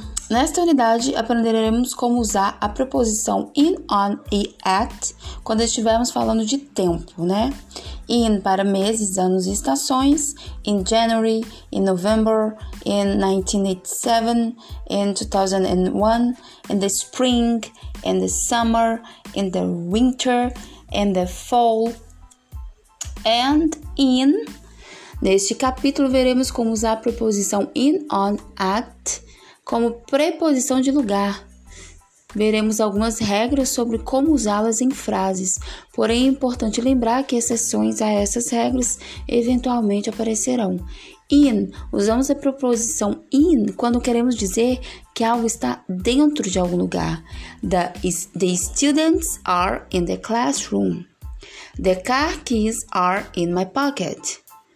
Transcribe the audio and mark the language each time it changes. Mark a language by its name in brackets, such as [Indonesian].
[Portuguese] Nesta unidade, aprenderemos como usar a preposição in, on e at quando estivermos falando de tempo, né? In para meses, anos e estações. [English] In January, in November, in 1987, in 2001, in the spring, in the summer, in the winter, in the fall. And in... [Portuguese] Neste capítulo, veremos como usar a preposição in, on, at como preposição de lugar. Veremos algumas regras sobre como usá-las em frases. Porém, é importante lembrar que exceções a essas regras eventualmente aparecerão. In. Usamos a preposição in quando queremos dizer que algo está dentro de algum lugar. [English] The students are in the classroom. The car keys are in my pocket.